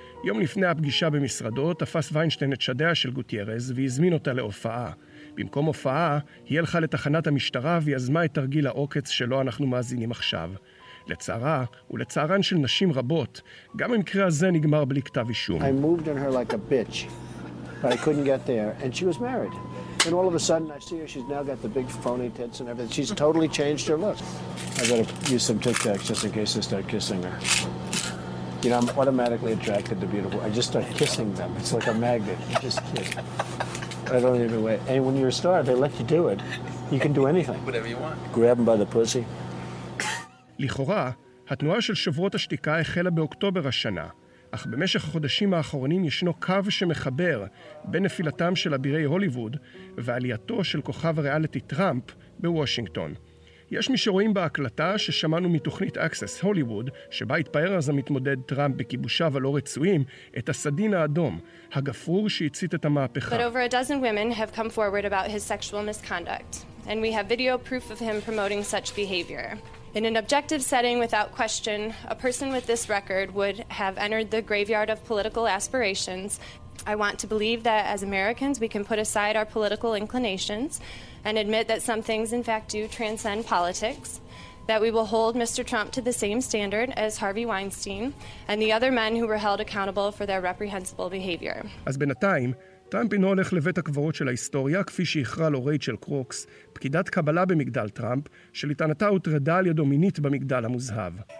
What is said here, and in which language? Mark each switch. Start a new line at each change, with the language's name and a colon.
Hebrew: יום לפני הפגישה במשרדו תפס ויינשטיין את שדיה של גוטיירז והזמין אותה להופעה. במקום הופעה, היא הלכה לתחנת המשטרה ויזמה את תרגיל העוקץ שלו אנחנו מאזינים עכשיו. לצערה ולצערן של נשים רבות, גם המקרה הזה נגמר בלי כתב אישום.
English: I moved on her like a bitch. But I couldn't get there, and she was married. And all of a sudden, I see her, she's now got the big phony tits and everything. She's totally changed her look. I gotta use some Tic Tacs just in case I start kissing her. You know, I'm automatically attracted to beautiful. I just start kissing them. It's like a magnet. I just kiss. I don't even wait. And when you're a star, they let you do it. You can do anything. Whatever you want. Grab them by the pussy.
Hebrew: לכאורה, התנועה של שוברות השתיקה החלה באוקטובר השנה. אך במשך החודשים האחרונים ישנו קו שמחבר בין נפילתם של אבירי הוליווד ועלייתו של כוכב הריאליטי טראמפ בוושינגטון. יש מי שרואים בהקלטה ששמענו מתוכנית אקסס הוליווד, שבה התפאר אז המתמודד טראמפ בכיבושיו הלא רצויים, את הסדין האדום, הגפרור שהצית את המהפכה.
English: But over a dozen women have come forward about his sexual misconduct, and we have video proof of him promoting such behavior. In an objective setting, without question, a person with this record would have entered the graveyard of political aspirations. I want to believe that as Americans, we can put aside our political inclinations and admit that some things, in fact, do transcend politics, that we will hold Mr. Trump to the same standard as Harvey Weinstein and the other men who were held accountable for their reprehensible behavior.
Hebrew: אז בינתיים, טראמפ אינו הולך לבית הקברות של ההיסטוריה, כפי שהכרה לו רייצ'ל קרוקס, פקידת קבלה במגדל טראמפ, שלטענתה הוטרדה על ידו מינית במגדל המוזהב.